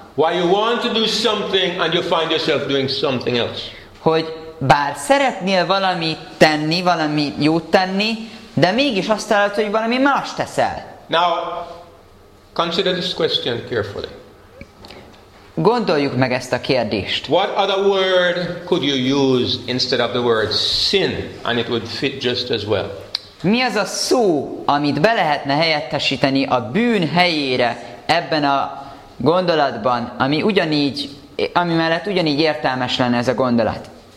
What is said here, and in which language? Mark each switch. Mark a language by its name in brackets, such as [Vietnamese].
[English] why you want to do something and you find yourself doing something else. [Hungarian] Hogy bár szeretnél valamit tenni, valami jót tenni, de mégis azt találod, hogy valami más teszel. [English] Now consider this question carefully. [Hungarian] Gondoljuk meg ezt a kérdést. [English] What other word could you use instead of the word sin and it would fit just as well? [Hungarian] Mi az a szó, amit be lehetne helyettesíteni a bűn helyére ebben a gondolatban, ami ugyanígy, ami mellett ugyanígy értelmes lenne ez a gondolat.